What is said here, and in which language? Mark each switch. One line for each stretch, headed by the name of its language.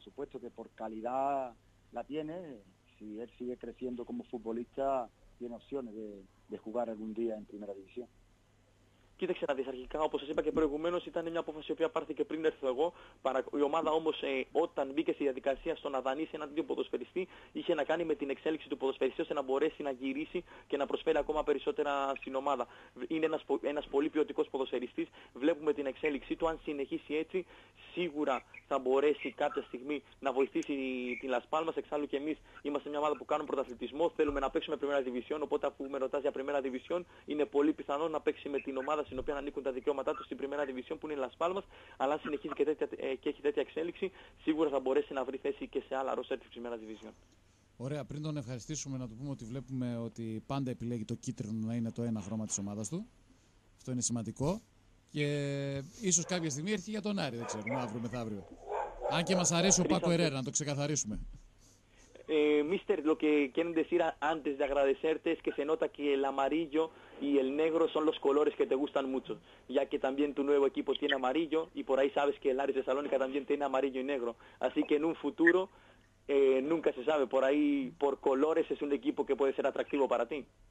Spanish: Por supuesto que por calidad la tiene, si él sigue creciendo como futbolista, tiene opciones de jugar algún día en primera división.
Greek: Κοίταξε να δεις, αρχικά, όπως σας είπα και προηγουμένως, ήταν μια απόφαση η οποία πάρθηκε πριν έρθω εγώ. Η ομάδα όμως, όταν μπήκε στη διαδικασία στο να δανείσει έναν τέτοιο ποδοσφαιριστή, είχε να κάνει με την εξέλιξη του ποδοσφαιριστή ώστε να μπορέσει να γυρίσει και να προσφέρει ακόμα περισσότερα στην ομάδα. Είναι ένας πολύ ποιοτικός ποδοσφαιριστής. Βλέπουμε την εξέλιξή του. Αν συνεχίσει έτσι, σίγουρα θα μπορέσει κάποια στιγμή να βοηθήσει την Las Palmas. Εξάλλου και εμείς είμαστε μια ομάδα που κάνουμε πρωταθλητισμό. Θέλουμε να παίξουμε Πριμέρα Διβισιόν. Οπότε, αφού με ρωτάς για Πριμέρα Διβισιόν, είναι πολύ πιθανό να παίξει με την ομάδα στην οποία ανήκουν τα δικαιώματά του στην Πριμέρα Διβισιόν, που είναι η Las Palmas. Αλλά αν συνεχίζει και έχει τέτοια εξέλιξη, σίγουρα θα μπορέσει να βρει θέση και σε άλλα ρόστερ της Πριμέρα Διβισιόν. Ωραία. Πριν τον ευχαριστήσουμε, να του πούμε ότι βλέπουμε ότι πάντα επιλέγει το κίτρινο να είναι το ένα χρώμα της ομάδας του. Αυτό είναι σημαντικό. Και ίσως κάποια στιγμή έρθει για τον Άρη, δεν ξέρω, αύριο μεθαύριο. Αν και μας αρέσει ο Πάκο Ερέρα, να το ξεκαθαρίσουμε.
Spanish: Mister, lo que quieren decir antes de agradecerte es que se nota que el amarillo y el negro son los colores que te gustan mucho, ya que también tu nuevo equipo tiene amarillo y por ahí sabes que el Ares de Salónica también tiene amarillo y negro. Así que en un futuro, nunca se sabe, por ahí, por colores es un equipo que puede ser atractivo para ti.